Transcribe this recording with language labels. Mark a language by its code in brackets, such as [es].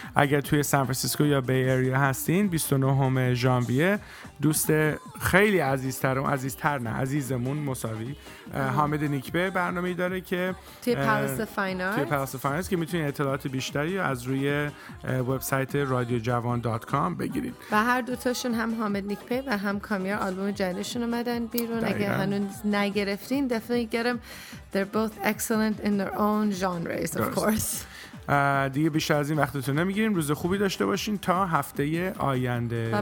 [fa] اگر توی سان فرانسیسکو یا بی ایریا هستین 29 ژانویه دوست خیلی عزیزمون مساوی حامد نیکبه برنامه‌ای داره که توی پالاس فاینانس که میتونید اطلاعات بیشتری از روی وبسایت radiojavan.com بگیرید. و هر دوتاشون هم حامد نیکبه و هم کامیار آلبوم جدیدشون اومدن بیرون. دقیقا. اگر هنوز نگرفتین [en] definitely get them. They're both excellent in their own genres of course. [fa] دیگه بیشتر از این وقتتون نمیگیریم. روز خوبی داشته باشین تا هفته آینده.